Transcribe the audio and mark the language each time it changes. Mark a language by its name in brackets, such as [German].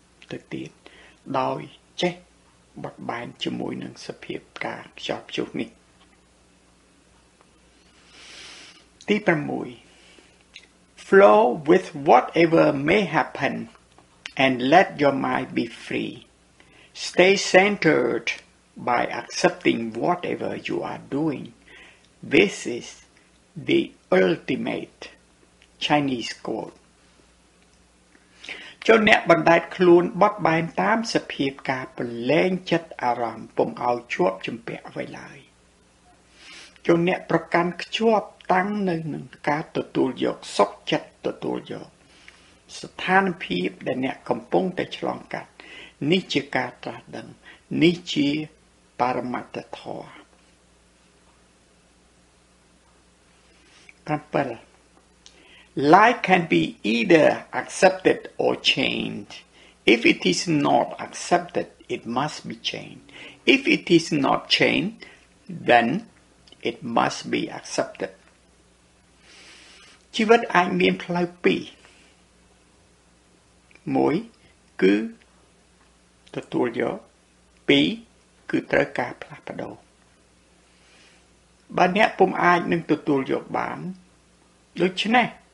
[Khmer] ទៅទៀតដោយចេះបត់បែនជាមួយនឹងសភាពការខ្យល់ព្យុះនេះទី6 [English] Flow with whatever may happen and let your mind be free. Stay centered by accepting whatever you are doing. This is the ultimate Chinese quote. [Khmer] ចូលអ្នកបណ្ដែតខ្លួនបត់បែនតាមសភាពការប្រឡែងចិត្តអារម្មណ៍ពុំឲ្យជាប់ជំពាក់អ្វីឡើយ ចូលអ្នកប្រកាន់ខ្ជាប់តាំងនៅនឹងការទទួលយកសុខចិត្តទទួលយកស្ថានភាពដែលអ្នកកំពុងតែឆ្លងកាត់នេះជាការត្រាស់ដឹងនេះជាបរមត្ថធម៌ [English] Life can be either accepted or changed. If it is not accepted, it must be changed. If it is not changed, then it must be accepted. [Khmer] ជីវិតអាចមានផ្លូវពីរ មួយគឺទទួលយក ពីរគឺត្រូវការផ្លាស់ប្ដូរ បើអ្នកពុំអាចនឹងទទួលយកបាន ដូច្នេះ